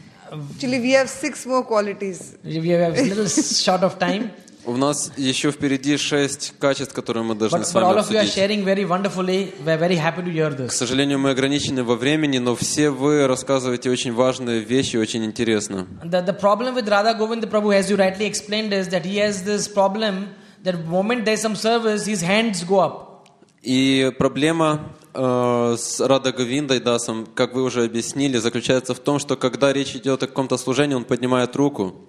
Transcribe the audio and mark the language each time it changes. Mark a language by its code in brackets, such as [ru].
[en] Actually, we have six more qualities. We have a little short of time. [ru] У нас еще впереди шесть качеств, которые мы должны с вами [en] all [ru] обсудить. [en] Of you are sharing very wonderfully. We are very happy to hear this. [ru] К сожалению, мы ограничены во времени, но все вы рассказываете очень важные вещи, очень интересно. [en] The problem with Radha Govinda Prabhu, as you rightly explained, is that he has this problem that the moment there's some service, his hands go up. [ru] И проблема с Радха Говиндой Дасом, как вы уже объяснили, заключается в том, что когда речь идет о каком-то служении, он поднимает руку.